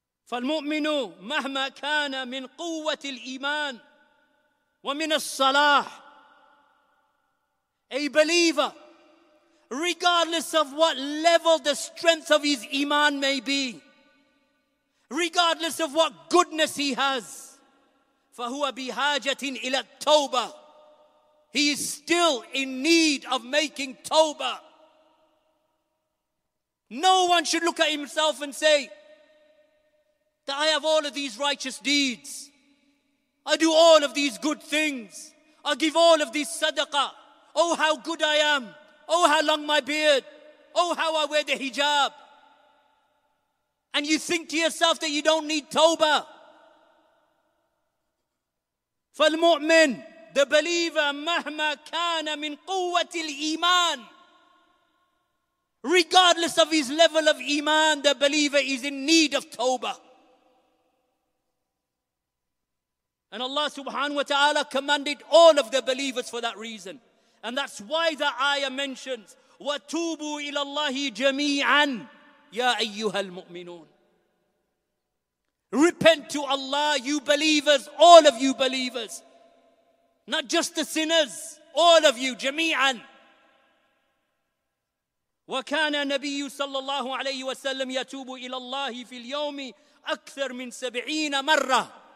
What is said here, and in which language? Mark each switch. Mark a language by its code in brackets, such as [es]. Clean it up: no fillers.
[ar] فالمؤمن مهما كان من قوة الإيمان ومن الصلاح. [en] A believer, regardless of what level the strength of his iman may be, regardless of what goodness he has, [ar] فهو بحاجة إلى التوبة. [en] He is still in need of making توبة. No one should look at himself and say, I have all of these righteous deeds. I do all of these good things. I give all of these sadaqah. Oh, how good I am. Oh, how long my beard. Oh, how I wear the hijab. And you think to yourself that you don't need tawbah. [ar] فالمؤمن, [en] the believer, [ar] مهما كان من قوة الإيمان. [en] Regardless of his level of iman, the believer is in need of tawbah. And Allah subhanahu wa ta'ala commanded all of the believers for that reason. And that's why the ayah mentions, [ar] وَتُوبُوا إِلَى اللَّهِ جَمِيعًا يَا أَيُّهَا الْمُؤْمِنُونَ. [en] Repent to Allah, you believers, all of you believers. Not just the sinners, all of you, جَمِيعًا. [ar] وَكَانَ النَّبِيُّ صَلَّى اللَّهُ عَلَيْهِ وَسَلَّمْ يَتُوبُ إِلَى اللَّهِ فِي الْيَوْمِ أَكْثَرْ مِنْ سَبْعِينَ مَرَّةً.